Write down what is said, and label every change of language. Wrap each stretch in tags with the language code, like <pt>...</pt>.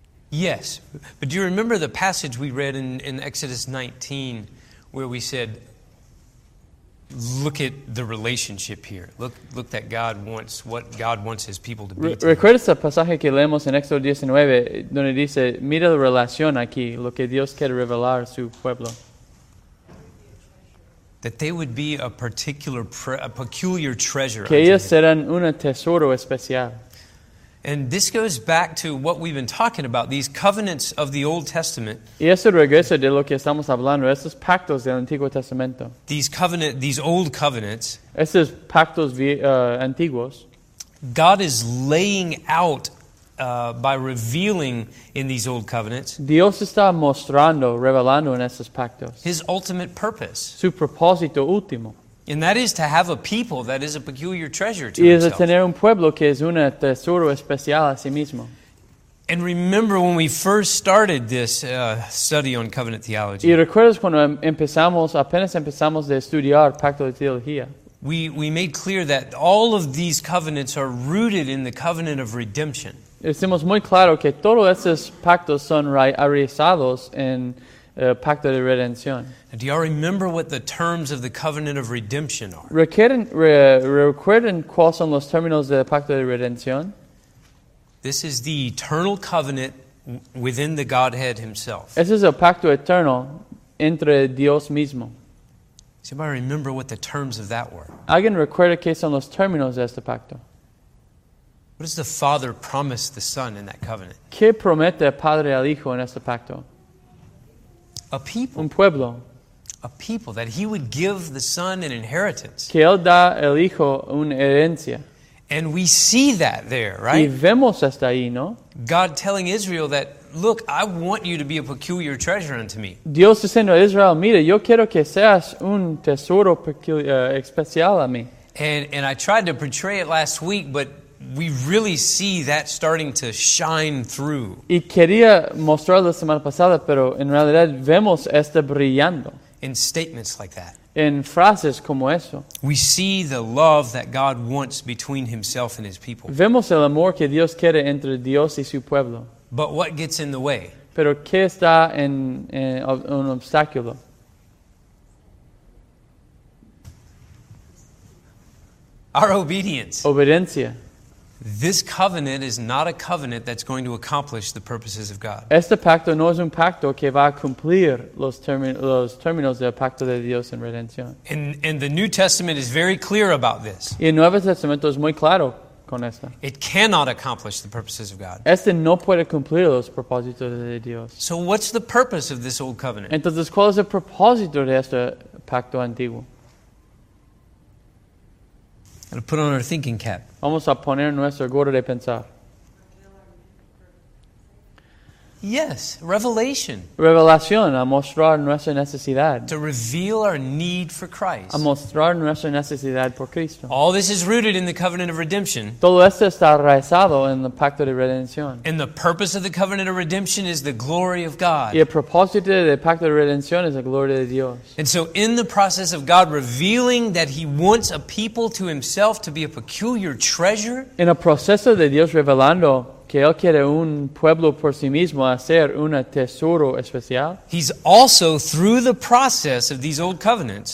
<en>Yes, but do you remember the passage we read in Exodus 19 where we said, look at the relationship here. Look that God wants, what God wants his people to be.</en> <es>¿Recuerdas el pasaje que leemos en Éxodo 19 donde dice, mira la relación aquí, lo que Dios quiere revelar a su pueblo?</es> <en>That they would be a particular, a peculiar treasure.</en> <es>Que ellos serán un tesoro especial.</es> <en>And this goes back to what we've been talking about, these covenants of the Old Testament.</en> <es>Y eso regresa de lo que estamos hablando, esos pactos del Antiguo Testamento.</es> <en>These old covenants.</en> <es>Esos pactos antiguos.</es> <en>God is laying out by revealing in these old covenants.</en> <es>Dios está mostrando, revelando en esos pactos.</es> <en>His ultimate purpose.</en> <es>Su propósito último.</es> <en>And that is to have a people that is a peculiar treasure to</en> <es>y</es> <en>himself.</en> <es>Y es tener un pueblo que es un tesoro especial a sí mismo.</es> <en>And remember when we first started this study on covenant theology.</en> <es>Y recuerdas cuando apenas empezamos de estudiar pacto de teología.</es> <en>We made clear that all of these covenants are rooted in the covenant of redemption.</en> <es>Hicimos muy claro que todos esos pactos son arraigados en el pacto de redención.</es> <en>Do y'all remember what the terms of the covenant of redemption are?</en> <es>¿Recuerdan cuáles son los términos del pacto de redención?</es> <en>This is the eternal covenant within the Godhead himself.</en> <es>Ese es el pacto eterno entre Dios mismo.</es> <en>Does anybody remember what the terms of that were?</en> <es>¿Alguien recuerda qué son los términos de este pacto?</es> <en>What does the Father promise the Son in that covenant?</en> <es>¿Qué promete el Padre al Hijo en este pacto?</es> <en>A people.</en> <es>Un pueblo.</es> <en>A people that he would give the son an inheritance.</en> <es>Que él da el hijo una herencia.</es> <en>And we see that there, right?</en> <es>Y vemos hasta ahí, ¿no?</es> <en>God telling Israel that, look, I want you to be a peculiar treasure unto me.</en> <es>Dios diciendo a Israel, mira, yo quiero que seas un tesoro peculiar, especial a mí.</es> <en>And I tried to portray it last week, but we really see that starting to shine through.</en> <es>Y quería mostrarlo la semana pasada, pero en realidad vemos esto brillando.</es> <en>In statements like that.</en> <es>en frases como eso.</es> <en>We see the love that God wants between himself and his people.</en> <es>Vemos el amor que Dios quiere entre Dios y su pueblo.</es> <en>But what gets in the way?</en> <es>Pero ¿qué está en un obstáculo?</es> <en>Our obedience.</en> <es>Obediencia.</es> <en>This covenant is not a covenant that's going to accomplish the purposes of God.</en> <es>Este pacto no es un pacto que va a cumplir los términos del pacto de Dios en redención.</es> <en>And the New Testament is very clear about this.</en> <es>Y el Nuevo Testamento es muy claro con esto.</es> <en>It cannot accomplish the purposes of God.</en> <es>Este no puede cumplir los propósitos de Dios.</es> <en>So what's the purpose of this old covenant?</en> <es>Entonces, ¿cuál es el propósito de este pacto antiguo?</es> <en>And put on our thinking cap.</en> <es>Vamos a poner nuestro gorro de pensar.</es> <en>Yes, revelation.</en> <es>Revelación, a mostrar nuestra necesidad.</es> <en>To reveal our need for Christ.</en> <es>A mostrar nuestra necesidad por Cristo.</es> <en>All this is rooted in the covenant of redemption.</en> <es>Todo esto está arraigado en el pacto de redención.</es> <en>And the purpose of the covenant of redemption is the glory of God.</en> <es>Y el propósito del pacto de redención es la gloria de Dios.</es> <en>And so in the process of God revealing that he wants a people to himself to be a peculiar treasure.</en> <es>En el proceso de Dios revelando que él quiere un pueblo por sí mismo hacer un tesoro especial.</es> <en>He's also through the process of these old covenants.</en>